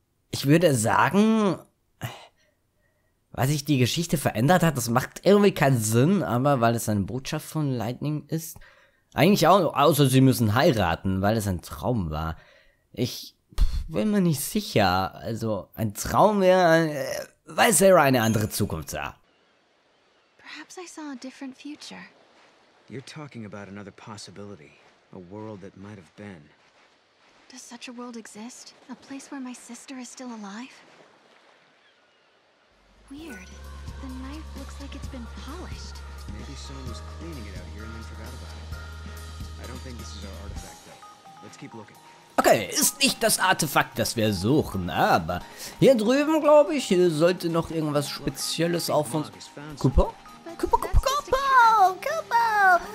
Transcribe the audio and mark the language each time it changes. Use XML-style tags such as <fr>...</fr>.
<de>Ich würde sagen, weil sich die Geschichte verändert hat, das macht irgendwie keinen Sinn, aber weil es eine Botschaft von Lightning ist, eigentlich auch, außer sie müssen heiraten, weil es ein Traum war. Ich bin mir nicht sicher, also ein Traum wäre, weil Sarah eine andere Zukunft sah.</de> <en>Perhaps I saw a different future. You're talking about another possibility, a world that might have been. Does such a world exist? A place where my sister is still alive? Weird. The knife looks like it's been polished. Maybe someone was cleaning it out here and then forgot about it. I don't think this is our artifact, though. Let's keep looking.</en> <de>Okay, ist nicht das Artefakt, das wir suchen, aber hier drüben, glaube ich, sollte noch irgendwas Spezielles auf uns... Cooper? Cooper, Cooper, Cooper! Cooper!</de>